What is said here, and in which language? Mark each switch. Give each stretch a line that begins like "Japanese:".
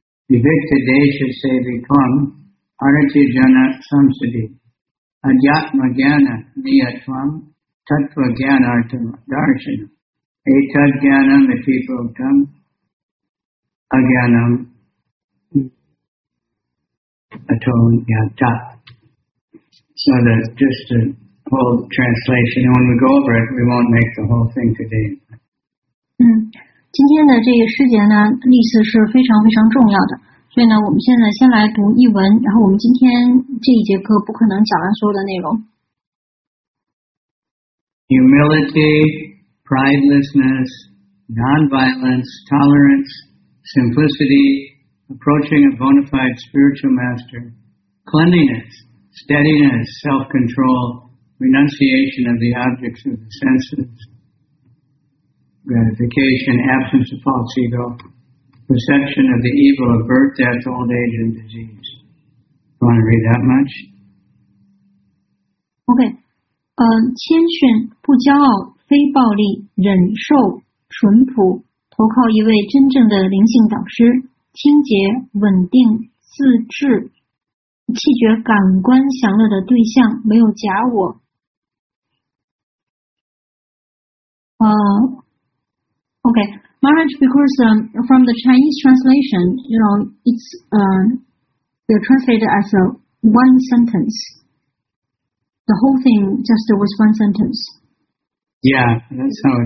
Sanskrit: vivikta desha sevitvam aratijana samsadhi adhyatma jnana niyatvam tattva jnanartam darshanam etad jnanam itiproktam ajnanam ato yata.
English: So that's just a whole translation. When we go over it, we won't make the whole thing today.
Chinese: 今天的这个诗节呢，例子是非常非常重要的，所以呢，我们现在先来读译文，然后我们今天这一节课不可能讲完所有的内容。
English: Humility, pridelessness, non-violence, tolerance, simplicity, approaching a bona fide spiritual master, cleanliness, steadiness, self-control, renunciation of the objects of the senses. Gratification, absence of false ego, perception of the evil of birth, death, old age, and disease. You want to read that much? Okay.
Chinese: 谦逊，不骄傲，非暴力，忍受，淳朴，投靠一位真正的灵性导师，清洁，稳定，自制，弃绝感官享乐的对象，没有假我。
English: Okay, Maharaj, because from the Chinese translation, you know, it's translated as a one sentence. The whole thing just was one sentence. Yeah, that's how it